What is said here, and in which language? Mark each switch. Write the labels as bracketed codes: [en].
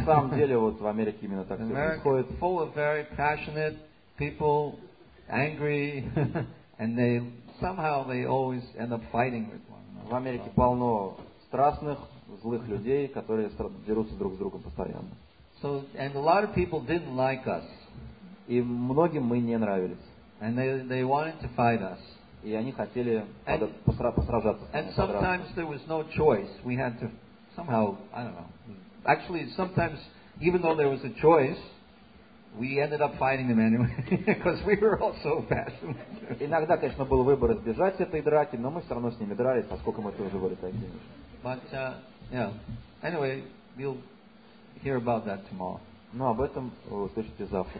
[ru] На самом деле, вот в Америке именно так все происходит. [en] Full of very passionate people, angry, and they somehow they always end up fighting with one. [ru] В Америке полно страстных, злых людей, которые дерутся друг с другом постоянно. [en] So, and a lot of people didn't like us. [ru] И многим мы не нравились. [en] And they wanted to fight us. [ru] И они хотели посражаться. [en] And sometimes there was no choice. We had to somehow, I don't know. Actually, sometimes, even though there was a choice, we ended up fighting them anyway, because we were all so passionate. [ru] Иногда, конечно, был выбор избежать этой драки, но мы все равно с ними дрались, поскольку мы тоже были такими. [en] But anyway, we'll hear about that tomorrow. [ru] Ну, об этом вы услышите завтра.